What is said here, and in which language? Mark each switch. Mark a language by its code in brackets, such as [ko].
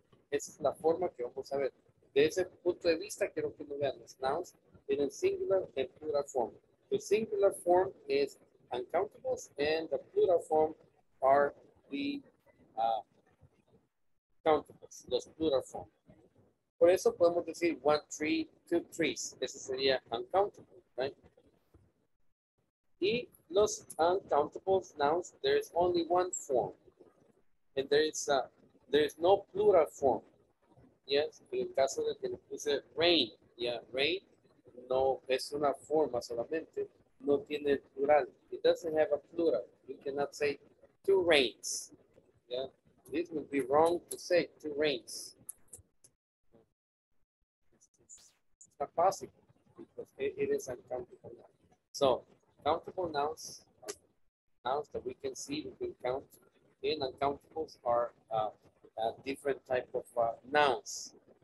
[es] Esa es la forma que vamos a ver. De ese punto de vista, quiero que lo vean. [en] Los nouns tienen singular and plural form. The singular form is uncountables and the plural form are the countables, los plural form. [es] Por eso podemos decir [en] one tree, two trees. [es] Ese sería uncountable, right? Y los [en] uncountables nouns, there is only one form. And there is no plural form. [es] Yes, en el caso de que le puse rain, yeah, rain no es una forma solamente, no tiene plural. [en] It doesn't have a plural. You cannot say two rains. Yeah, this would be wrong to say two rains. It's not possible because it is uncountable noun. So, countable nouns, nouns that we can see, we can count, and uncountables are different type of nouns.